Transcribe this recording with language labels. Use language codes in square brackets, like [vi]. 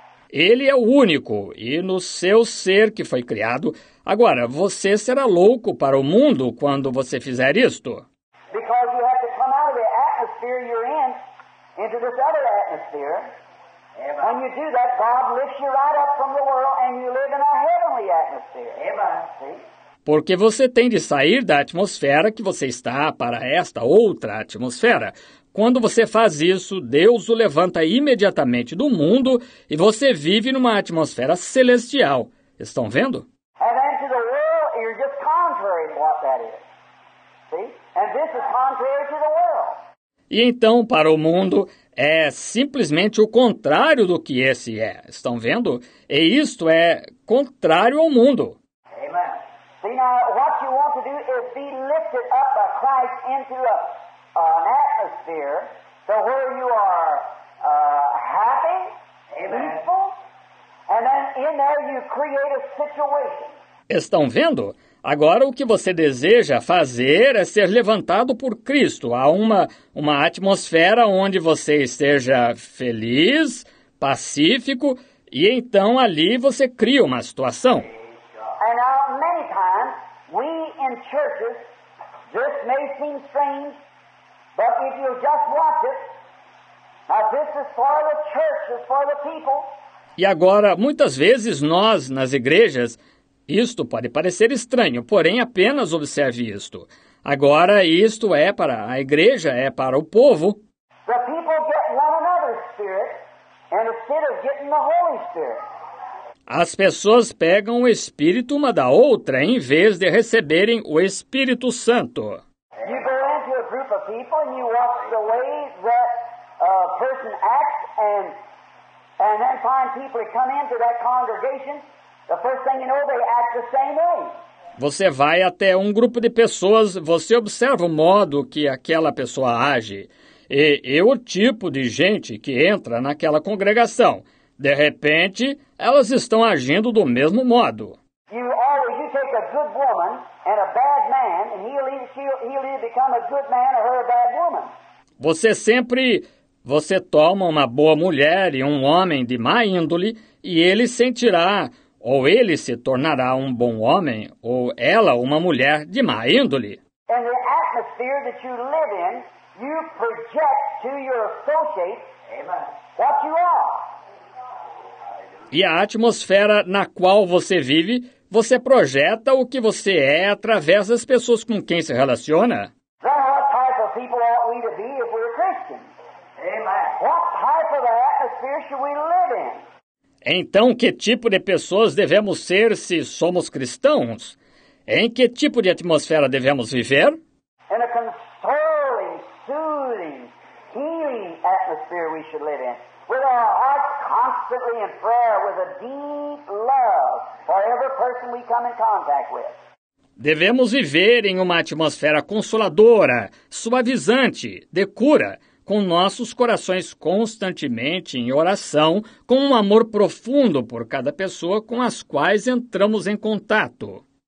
[pt] Ele é o único, e no seu ser que foi criado, agora você será louco para o mundo quando você fizer isto. [en] Because you have to come out of the atmosphere you're in into this other atmosphere. Amen. When you do that, God lifts you right up from the world and you live in a heavenly atmosphere. Amen. [pt] Porque você tem de sair da atmosfera que você está para esta outra atmosfera. Quando você faz isso, Deus o levanta imediatamente do mundo e você vive numa atmosfera celestial. Estão vendo? [en] And then to the world, you're just contrary to what that is. See? And this is contrary to the world. [pt] E então, para o mundo, é simplesmente o contrário do que esse é. Estão vendo? E isto é contrário ao mundo. [en] Amen. See, now, what you want to do is be lifted up by Christ into an atmosphere to where you are happy, amen, peaceful, and then in there you create a situation. [pt] Estão vendo? Agora o que você deseja fazer é ser levantado por Cristo a uma atmosfera onde você esteja feliz, pacífico, e então ali você cria uma situação. [en] And now, many times, we in churches, this may seem strange, but if you just watch it, now this is for the church, it's for the people. [pt] E agora, muitas vezes nós, nas igrejas, isto pode parecer estranho, porém apenas observe isto. Agora, isto é para a igreja, é para o povo. [en] The people get one another's spirit instead of getting the Holy Spirit. [pt] As pessoas pegam o Espírito uma da outra em vez de receberem o Espírito Santo. [en] You go into a group of of people, and you watch the way that a person acts, and then find people who come into that congregation, the first thing you know, they act the same way. [pt] Você vai até um grupo de pessoas, você observa o modo que aquela pessoa age e o tipo de gente que entra naquela congregação. De repente, elas estão agindo do mesmo modo. [en] You take a good woman and a bad man, and he'll either become a good man or her a bad woman. [pt] Você sempre, você toma uma boa mulher e um homem de má índole e ele sentirá... Ou ele se tornará um bom homem, ou ela uma mulher de má índole. [en] And the atmosphere that you live in, you project to your associates, amen, what you are. [pt] E a atmosfera na qual você vive, você projeta o que você é através das pessoas com quem se relaciona. [en] Then what type of people ought we to be if we're Christians? Amen. What type of atmosphere should we live in? [pt] Então, que tipo de pessoas devemos ser se somos cristãos? Em que tipo de atmosfera devemos viver? [en] In a consoling, soothing, healing atmosphere we should live in. With our hearts constantly in prayer, with a deep love for every person we come in contact with. [pt] Devemos viver em uma atmosfera consoladora, suavizante, de cura, com nossos corações constantemente em oração, com um amor profundo por cada pessoa com as quais entramos em contato.